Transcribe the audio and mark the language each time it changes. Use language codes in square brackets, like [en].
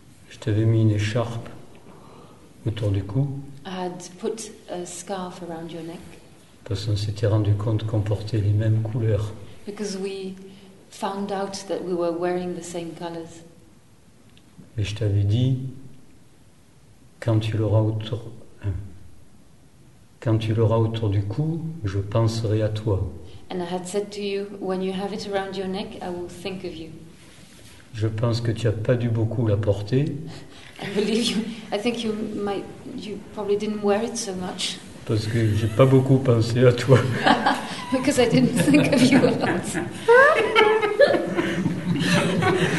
[fr] Je t'avais mis une écharpe autour du cou. [en] I had put a scarf around your neck. [fr] Parce qu'on s'était rendu compte qu'on portait les mêmes couleurs. [en] Because we found out that we were wearing the same colors. [fr] Et je t'avais dit, quand tu l'auras autour, Quand tu l'auras autour du cou, je penserai à toi. [en] And I had said to you, when you have it around your neck, I will think of you. [fr] Je pense que tu as pas dû beaucoup la porter. [en] I believe you. I think you might. You probably didn't wear it so much. [fr] Parce que j'ai pas beaucoup pensé à toi. [en] Because I didn't think of you a lot.